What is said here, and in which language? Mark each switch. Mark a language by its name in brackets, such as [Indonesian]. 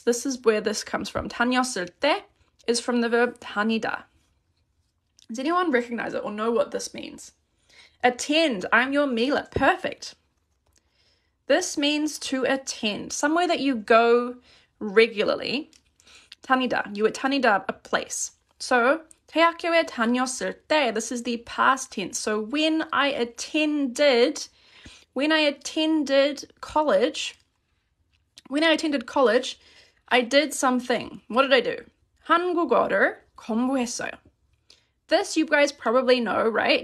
[English] This is where this comes from. 다녔을 때 is from the verb 다니다. Does anyone recognize it or know what this means? Attend. I'm your Mila. Perfect. This means to attend somewhere that you go regularly. 다니다. You attended a place. [Korean] So 대학교에 다녔을 때. [English] This is the past tense. So when I attended college, when I attended college, I did something. What did I do? [Korean] 한국어를 공부했어요. [English] This you guys probably know, right?